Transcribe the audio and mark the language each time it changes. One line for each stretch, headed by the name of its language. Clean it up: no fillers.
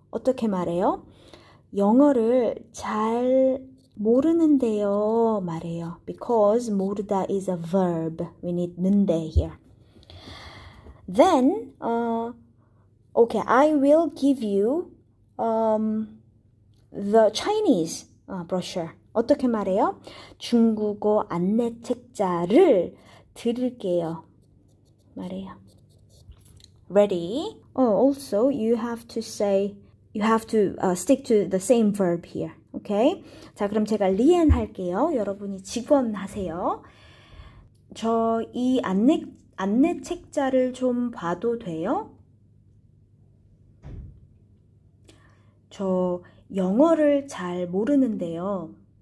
Korean: 어떻게 말해요? 영어를 잘 모르는데요. 말해요.
English: Because 모르다 is a verb. We need 는데 here. Then, okay, I will give you the Chinese brochure.
Korean: 어떻게 말해요? 중국어 안내 책자를 드릴게요. 말해요. Ready?
English: Oh, also, you have to say, you have to stick to the same verb here. Okay?
Korean: 자, 그럼 제가 리엔 할게요. 여러분이 직원 하세요. 저 이 안내 책자를 좀 봐도 돼요? 저 영어를 잘 모르는데요.